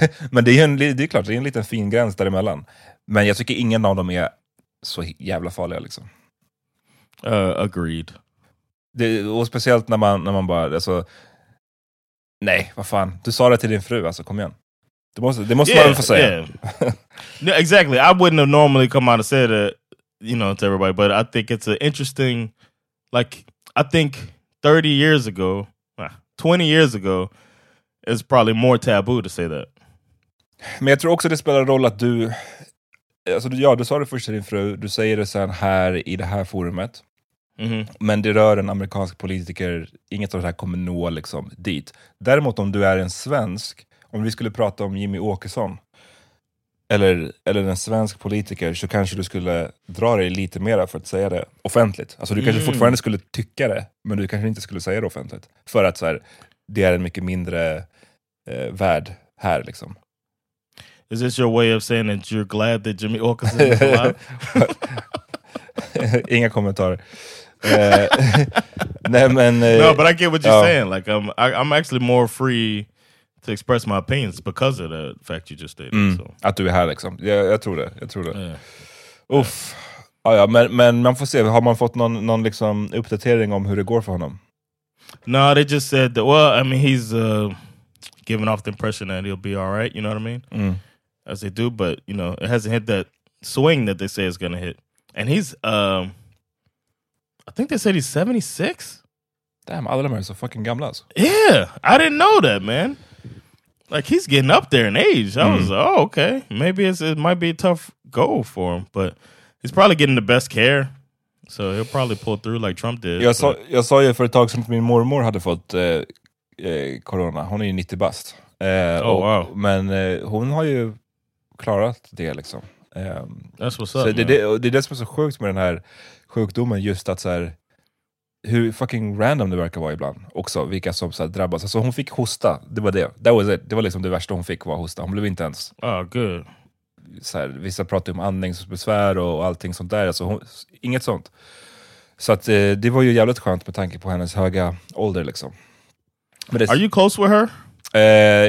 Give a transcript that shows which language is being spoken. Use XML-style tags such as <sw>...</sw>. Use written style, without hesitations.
<sv>Men det är klart, det är en liten fin gräns däremellan. Men jag tycker ingen av dem är så jävla farliga liksom.</sv> <en>Agreed.</en> <sv>Och speciellt när man bara, alltså, nej, vad fan, du sa det till din fru, alltså kom igen. Det måste man få säga. Yeah.</sv> <en>No, exactly. I wouldn't have normally come out and said it, you know, to everybody, but I think it's an interesting, like, I think 30 years ago, 20 years ago, is probably more taboo to say that.</en> <sv>Men jag tror också det spelar roll att du, alltså ja, du sa det först till din fru, du säger det sen här i det här forumet. Mm-hmm. Men det rör en amerikansk politiker, inget av det här kommer nå liksom dit. Däremot om du är en svensk, om vi skulle prata om Jimmy Åkesson eller en svensk politiker, så kanske du skulle dra dig lite mer för att säga det offentligt. Alltså du kanske fortfarande skulle tycka det, men du kanske inte skulle säga det offentligt. För att så här, det är en mycket mindre värld här liksom.</sv> <en>Is this your way of saying that you're glad that Jimmy Åkesson is alive?</en> <sv>Inga kommentarer. Nej, men...</sv> <en>No, but I get what you're saying. Like, I'm actually more free... to express my opinions because of the fact you just stated.</en> <sv>Att du är här liksom. Jag tror det. Yeah. Uff. Yeah. Ah, ja, men man får se. Har man fått någon liksom uppdatering om hur det går för honom?</sv> <en>No, they just said that, well, I mean, he's giving off the impression that he'll be all right, you know what I mean? Mm. As they do, but, you know, it hasn't hit that swing that they say is going to hit. And he's, I think they said he's 76? Damn, all of them are so fucking</en> <sv>gamla.</sv> <en>Yeah, I didn't know that, man. Like, he's getting up there in age. I was like, oh, okay. Maybe it might be a tough goal for him. But he's probably getting the best care. So he'll probably pull through like Trump did.</en> <sv>Jag sa ju för ett tag sedan att min mormor hade fått corona. Hon är ju 90 bast.</sv> <en>Wow.</en> <sv>Men hon har ju klarat det liksom.</sv> <en>That's what's up,</en> <sv>så</sv> <en>man.</en> <sv>Det är det som är så sjukt med den här sjukdomen. Just att så här, hur fucking random det verkar vara ibland också, vilka som så här drabbas. Alltså hon fick hosta, det var det.</sv> <en>That was it.</en> <sv>Det var liksom det värsta hon fick, var hosta. Hon blev inte ens...</sv> <en>Oh, good.</en> <sv>Så här, vissa pratade om andningsbesvär och allting sånt där. Alltså hon, inget sånt. Så att, det var ju jävligt skönt med tanke på hennes höga ålder liksom. Men det,</sv> <en>are you close with her?</en>